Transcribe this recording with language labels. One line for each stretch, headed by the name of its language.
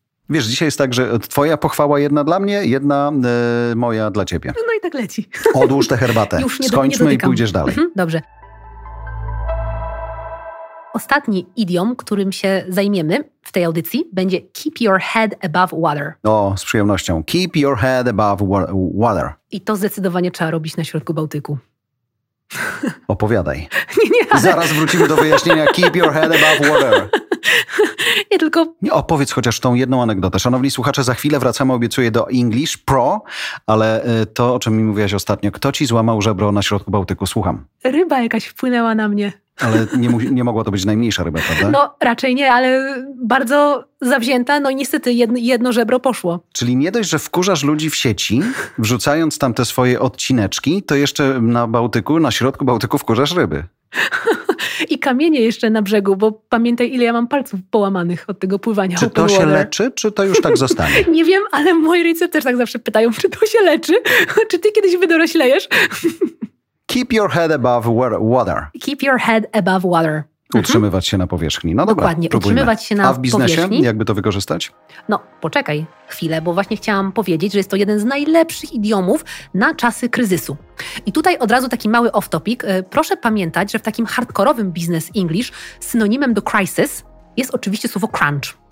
Polish: Wiesz, dzisiaj jest tak, że twoja pochwała jedna dla mnie, jedna moja dla ciebie. No i tak leci. Odłóż tę herbatę. Już nie skończmy nie i pójdziesz dalej. Dobrze. Ostatni idiom, którym się zajmiemy w tej audycji, będzie
English: keep your head above water.
Polish: O, z przyjemnością.
English: Keep your head above water.
Polish: I to zdecydowanie trzeba robić na środku Bałtyku. Opowiadaj. Nie, ale... Zaraz wrócimy do wyjaśnienia.
English: Keep your head above water.
Polish: Nie, tylko... Nie, opowiedz chociaż tą jedną anegdotę. Szanowni słuchacze, za chwilę wracamy, obiecuję, do English Pro, ale to, o czym mi mówiłaś ostatnio, kto ci złamał żebro na środku Bałtyku? Słucham. Ryba jakaś wpłynęła na mnie. Ale nie mogła to być najmniejsza ryba, prawda? No, raczej nie, ale bardzo zawzięta, no i niestety jedno żebro poszło. Czyli nie dość, że wkurzasz ludzi w sieci, wrzucając tam te swoje odcineczki, to jeszcze na Bałtyku, na środku Bałtyku wkurzasz ryby. I kamienie jeszcze na brzegu, bo pamiętaj, ile ja mam palców połamanych od tego pływania. Czy to się leczy, czy to już tak zostanie? Nie wiem, ale moi rodzice też tak zawsze pytają, czy to się leczy? Czy ty kiedyś wydoroślejesz?
English: Keep your head above water. Keep your head above water.
Polish: Utrzymywać się na powierzchni. No dokładnie, dobra, utrzymywać się na powierzchni. A w biznesie? Jakby to wykorzystać? No, poczekaj chwilę, bo właśnie chciałam powiedzieć, że jest to jeden z najlepszych idiomów na czasy kryzysu. I tutaj od razu taki mały off-topic. Proszę pamiętać, że w takim hardkorowym business English synonimem do crisis jest oczywiście słowo crunch.